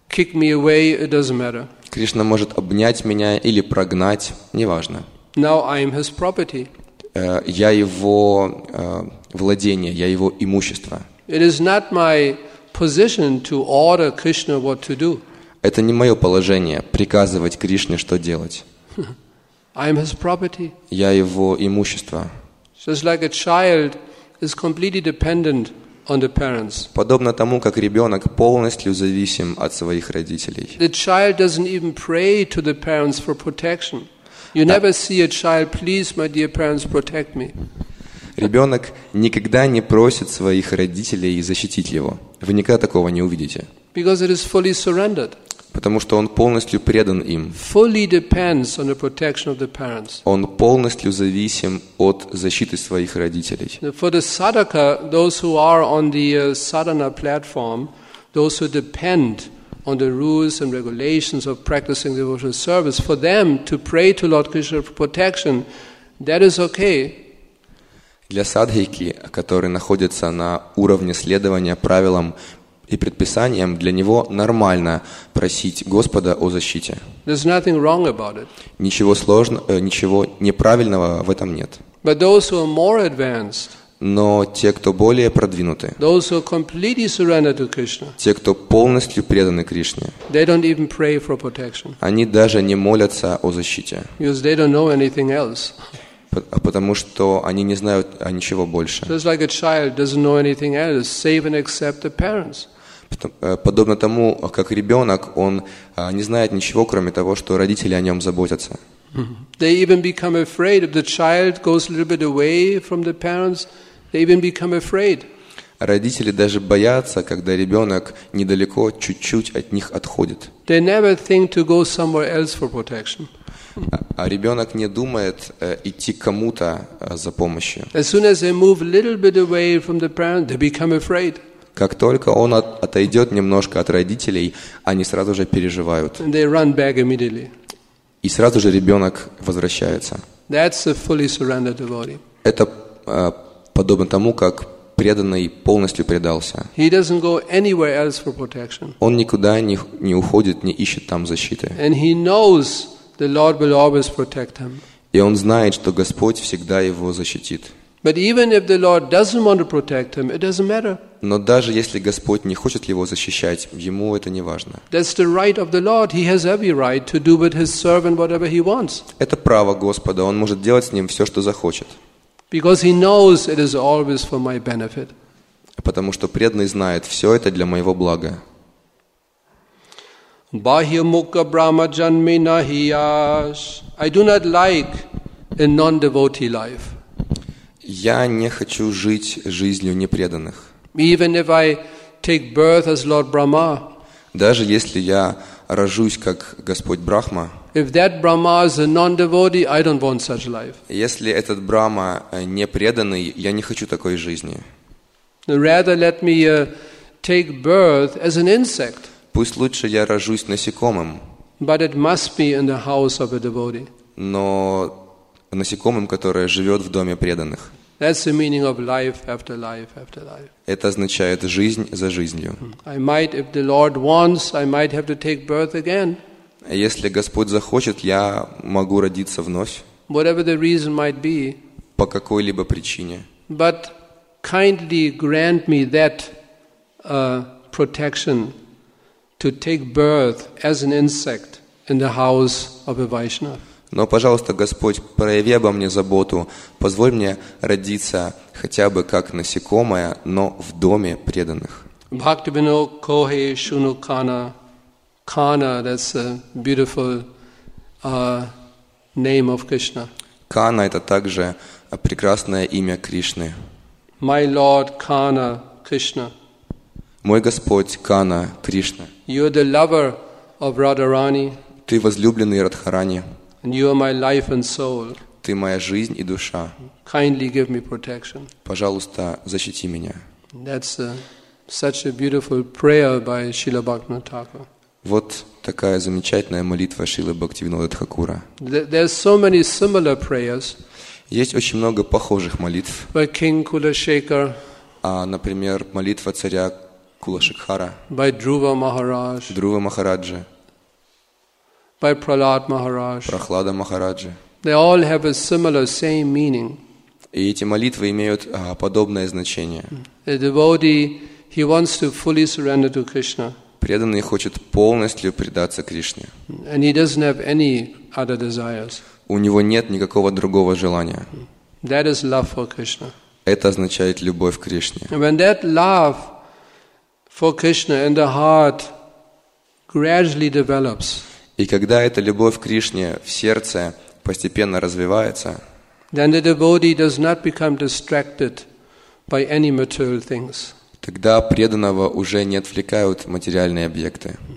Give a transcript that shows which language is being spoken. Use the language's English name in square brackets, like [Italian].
[Russian] Кришна может обнять меня или прогнать. Неважно. [English] Now I am his property. [Russian] Я его владение, я его имущество. [English] It is not my position to order Krishna what to do. [Russian] Это не мое положение приказывать Кришне, что делать. [English] I am his property. [Russian] Я его имущество. [English] Just like a child is completely dependent on the parents. [Russian] Подобно тому, как ребенок полностью зависим от своих родителей. [English] The child doesn't even pray to the parents for protection. You never see a child, please, my dear parents, protect me. [Russian] Ребенок никогда не просит своих родителей защитить его. Вы никогда такого не увидите. [English] Because it is fully surrendered. [Russian] Потому что он полностью предан им. [English] Fully depends on the protection of the parents. [Russian] Он полностью зависим от защиты своих родителей. [English] For the sadhaka, those who are on the sadhana platform, those who depend on the rules and regulations of practicing devotional service, for them to pray to Lord Krishna for protection, that is okay. [Russian] Для садхики, который находится на уровне следования правилам и предписаниям, для него нормально просить Господа о защите. [English] There's nothing wrong about it. [Russian] Ничего сложного, ничего неправильного в этом нет. [English] But those who are more advanced, [Russian] но те, кто более продвинуты, [English] those who are completely surrendered to Krishna, [Russian] те, кто полностью преданы Кришне, [English] they don't even pray for protection. [Russian] Они даже не молятся о защите. [English] Because they don't know anything else. [Russian] Потому что они не знают о ничего больше. [English] Just like a child doesn't know anything else, save and accept the parents. [Russian] Подобно тому, как ребенок, он не знает ничего, кроме того, что родители о нем заботятся. [English] They even become afraid if the child goes a little bit away from the parents. They even become afraid. [Russian] Родители даже боятся, когда ребенок недалеко, чуть-чуть от них отходит. [English] They never think to go somewhere else for protection. [Russian] А ребенок не думает идти кому-то за помощью. [English] As soon as they move a little bit away from the parents, they become afraid. [Russian] Как только он отойдет немножко от родителей, они сразу же переживают. [English] And they run back immediately. [Russian] И сразу же ребенок возвращается. [English] That's a fully surrendered devotee. [Russian] Это подобно тому, как преданный полностью предался. [English] He doesn't go anywhere else for protection. [Russian] Он никуда не уходит, не ищет там защиты. [English] And he knows the Lord will always protect him. [Russian] И он знает, что Господь всегда его защитит. [English] But even if the Lord doesn't want to protect him, it doesn't matter. [Russian] Но даже если Господь не хочет его защищать, ему это не важно. [English] That's the right of the Lord. He has every right to do with his servant whatever he wants. [Russian] Это право Господа. Он может делать с ним все, что захочет. [English] Because he knows it is always for my benefit. [Russian] Потому что преданный знает, все это для моего блага. [Bangla] Bahyamukha Brahma Janmi Nahiyash. [English] I do not like a non-devotee life. [Russian] Я не хочу жить жизнью непреданных. [English] Even if I take birth as Lord Brahma. [Russian] Даже если я рожусь как Господь Брахма. [English] If that Brahma is a non-devotee, I don't want such life. [Russian] Если этот Брахма непреданный, я не хочу такой жизни. [English] Rather let me take birth as an insect. [Russian] Пусть лучше я рожусь насекомым. [English] But it must be in the house of a devotee. [Russian] Но насекомым, которое живет в доме преданных. [English] That's the meaning of life after life after life. [Russian] Это означает жизнь за жизнью. [English] I might, if the Lord wants, I might have to take birth again. [Russian] Если Господь захочет, я могу родиться вновь. [English] Whatever the reason might be. [Russian] По какой-либо причине. [English] But kindly grant me that protection to take birth as an insect in the house of a Vaishnava. [Russian] Но, пожалуйста, Господь, прояви обо мне заботу. Позволь мне родиться хотя бы как насекомое, но в доме преданных. [Bangla] Бхактивино кохе шуну кана. [English] Кана, that's a beautiful name of Krishna. [Russian] Кана – это также прекрасное имя Кришны. [English] My Lord Kana, Krishna. [Russian] Мой Господь Кана, Кришна. [English] You are the lover of Radharani. [Russian] Ты возлюбленный Радхарани. [English] And you are my life and soul. [Russian] Ты моя жизнь и душа. [English] Kindly give me protection. [Russian] Пожалуйста, защити меня. [English] That's such a beautiful prayer by Srila Bhaktivinoda Thakura. [Russian] Вот такая замечательная молитва Шрилы Бхактивинода Тхакура. [English] There are so many similar prayers. [Russian] Есть очень много похожих молитв. [English] By King Kulashekar. [Russian] А, например, молитва царя Кулашекхара. [English] By Dhruva Maharaj. [Russian] Dhruva Maharaja. [English] By Prahlad Maharaj. [Russian] Прохлада Махараджи. [English] They all have a similar, same meaning. [Russian] И эти молитвы имеют подобное значение. [English] A devotee, he wants to fully surrender to Krishna. [Russian] Преданный хочет полностью предаться Кришне. [English] And he doesn't have any other desires. [Russian] У него нет никакого другого желания. [English] That is love for Krishna. [Russian] Это означает любовь к Кришне. [English] And when that love for Krishna in the heart gradually develops. [Russian] И когда эта любовь к Кришне в сердце постепенно развивается, [English] then the devotee does not become distracted by any material things. [Russian] Тогда преданного уже не отвлекают материальные объекты.